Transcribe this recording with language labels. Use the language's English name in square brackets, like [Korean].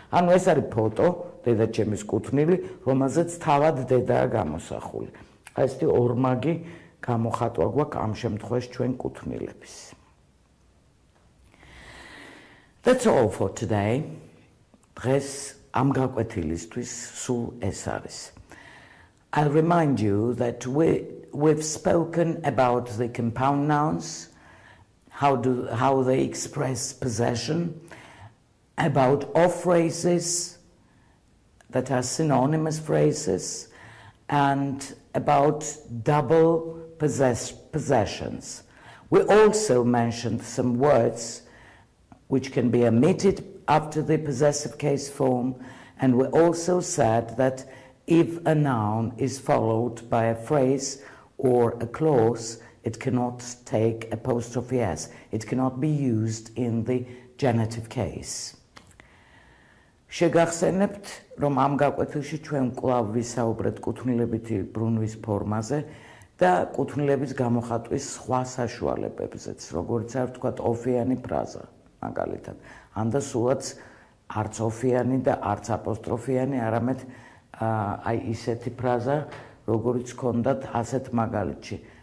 [Georgian] ანუ ეს არის ფოტო დედაჩემის კუთვნილი, რომელზეც თავად დედაა გამოსახული. აი ესეთი ორმაგი გამოხატვა გვაქვს ამ შემთხვევაში ჩვენ კუთვნილების. [English] That's all for today. [Georgian] დღეს ამ გაკვეთილისთვის სულ ეს არის. [English] I'll remind you that we've spoken about the compound nouns. How they express possession, about off-phrases that are synonymous phrases, and about double possessions. We also mentioned some words which can be omitted after the possessive case form, and we also said that if a noun is followed by a phrase or a clause, it cannot take apostrophe S. It cannot be used in the genitive case. [Georgian] Შეგახსენებთ, რომ ამ გაკვეთილში ჩვენ კვლავ ვისაუბრეთ კუთვნილებითი ბრუნვის ფორმაზე და კუთვნილების გამოხატვის სხვა საშუალებებზეც, როგორც არ ვთქვა ოფიანი ფრაზა, მაგალითად. ან და სულაც არც ოფიანი და არც აპოსტროფიანი, არამედ აი ისეთი ფრაზა, როგორც ჰქონდათ ასეთ მაგალითში.